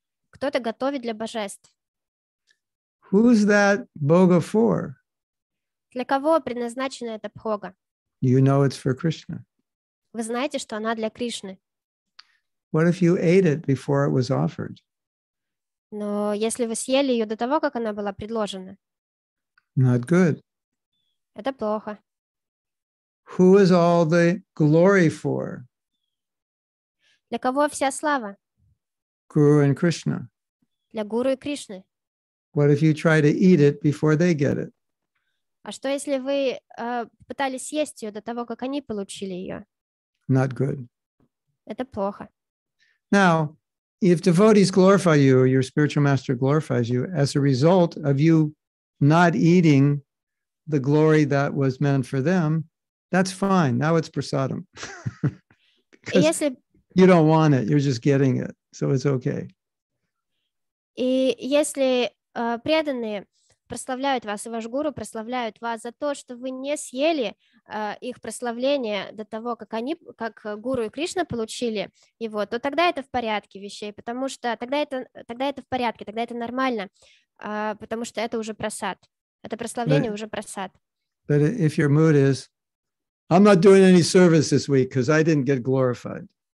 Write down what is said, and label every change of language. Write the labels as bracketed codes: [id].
[ru] Кто-то готовит для божеств. [en] Who's that bhoga for? [ru] Для кого предназначена эта бхога? [en] You know it's for Krishna. [ru] Вы знаете, что она для Кришны. [en] What if you ate it before it was offered? [ru] Но если вы съели ее до того, как она была предложена? [en] Not good. [ru] Это плохо. [en] Who is all the glory for? [ru] Для кого вся слава? [en] Guru and Krishna. [ru] Для гуру и Кришны. [en] What if you try to eat it before they get it? [ru] А что, если вы пытались съесть ее до того, как они получили ее? [en] Not good. [ru] Это плохо. [en] Now, if devotees glorify you, or your spiritual master glorifies you as a result of you not eating the glory that was meant for them, that's fine. Now it's prasadam. [ru] Если... [en] You don't want it. You're just getting it. So it's okay. [ru] И если преданные прославляют вас, и ваш гуру прославляют вас за то, что вы не съели их прославление до того, как они, как гуру и Кришна получили его, то тогда это в порядке вещей, потому что тогда это в порядке, тогда это нормально, потому что это уже прасад. Это прославление уже прасад. [en] But if your mood is, I'm not doing any service this week because I didn't get glorified.